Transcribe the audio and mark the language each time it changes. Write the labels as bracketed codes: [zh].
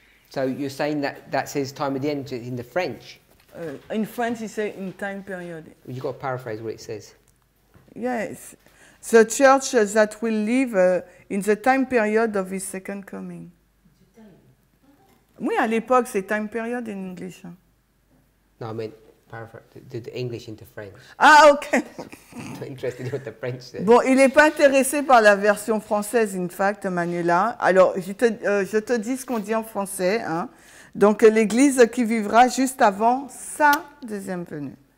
[en] So you're saying that that says time of the end in the French? In French, he say in time period. You've got to paraphrase what it says. Yes. The church that will live in the time period of his second coming. [fr] Oui, à l'époque, c'est [en] time period in English. No, I mean, paraphrase the English into French. Ah, okay. Not interested in what the French says. [fr] Bon, il n'est pas intéressé par la version française, [en] in fact, [fr] Manuela. Alors, je te dis ce qu'on dit en français, hein. Donc, l'Église qui vivra juste avant sa deuxième venue.